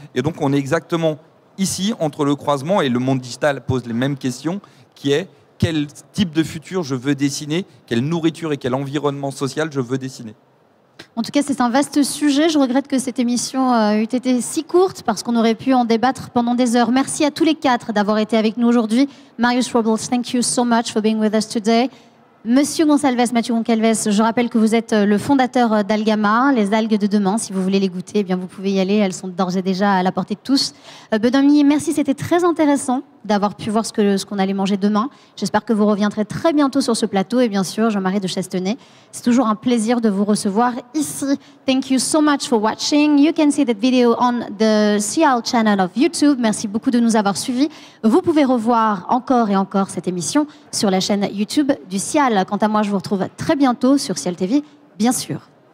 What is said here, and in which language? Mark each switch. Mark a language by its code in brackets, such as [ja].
[fr] Et donc, on est exactement ici, entre le croisement, et le monde digital pose les mêmes questions, qui est... quel type de futur je veux dessiner, quelle nourriture et quel environnement social je veux dessiner. En tout cas, c'est un vaste sujet. Je regrette que cette émission ait été si courte, parce qu'on aurait pu en débattre pendant des heures. Merci à tous les quatre d'avoir été avec nous aujourd'hui. [en] Marius Robles, thank you so much for being with us today. [fr] Monsieur Gonçalves, Mathieu Gonçalves, je rappelle que vous êtes le fondateur d'Algama, les algues de demain. Si vous voulez les goûter, eh bien vous pouvez y aller, elles sont d'ores et déjà à la portée de tous. Benoît Millet, merci, c'était très intéressant d'avoir pu voir ce qu'on allait manger demain. J'espère que vous reviendrez très bientôt sur ce plateau. Et bien sûr, Jean-Marie de Chastenay, c'est toujours un plaisir de vous recevoir ici. [en] Thank you so much for watching. You can see that video on the CL channel of YouTube. [fr] Merci beaucoup de nous avoir suivis. Vous pouvez revoir encore et encore cette émission sur la chaîne YouTube du CL. Quant à moi, je vous retrouve très bientôt sur CL TV, bien sûr.